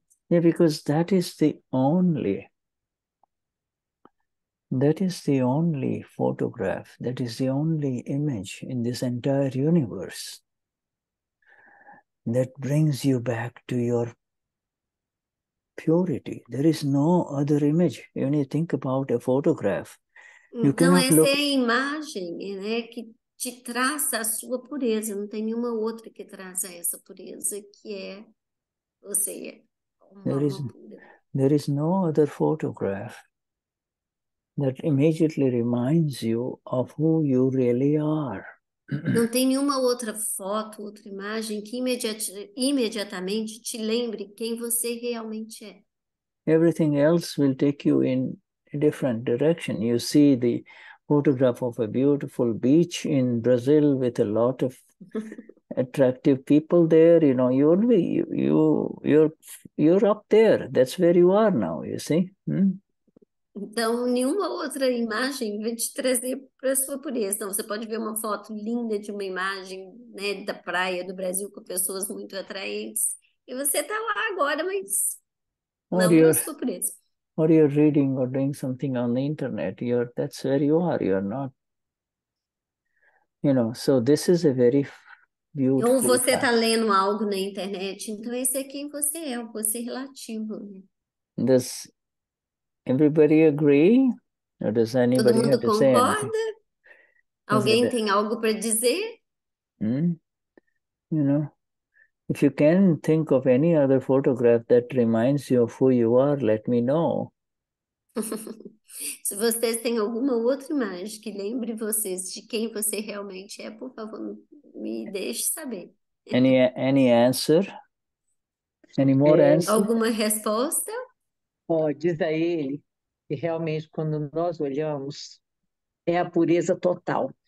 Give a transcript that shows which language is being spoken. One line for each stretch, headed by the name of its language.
English: Yeah, because that is the only photograph, that is the only image in this entire universe that brings you back to your purity. There is no other image. When you think about a photograph, you
Portuguese: então,
English: cannot look...
Portuguese: Então, essa é a imagem, né, que te traz a sua pureza. Não tem nenhuma outra que traça essa pureza, que é você, uma alma pura.
English: There is no other photograph that immediately reminds you of who you really are.
Portuguese: Não tem nenhuma outra foto, outra imagem que imediatamente te lembre quem você realmente é.
English: Everything else will take you in a different direction. You see the photograph of a beautiful beach in Brazil with a lot of attractive people there. You know, you're up there. That's where you are now, you see.
Portuguese: Então, nenhuma outra imagem vai te trazer para a sua pureza. Então, você pode ver uma foto linda de uma imagem, né, da praia do Brasil com pessoas muito atraentes. E você está lá agora, mas
English: or
Portuguese: não para a sua pureza.
English: Or you're reading or doing something on the internet. That's where you are. You're not. You know, so this is a very beautiful.
Portuguese: Ou você está lendo algo na internet. Então, esse é quem você é, o você relativo. Né?
English: This. Everybody agree? Or does anybody
Portuguese: Todo mundo
English: have to
Portuguese: concorda?
English: Say anything?
Portuguese: Alguém tem algo para dizer?
English: You know, if you can think of any other photograph that reminds you of who you are, let me know.
Portuguese: Se vocês têm alguma outra imagem que lembre vocês de quem você realmente é, por favor, me deixe saber.
English: Any answer? Any more answer?
Portuguese: Alguma resposta? Oh, diz a ele que realmente quando nós olhamos é a pureza total.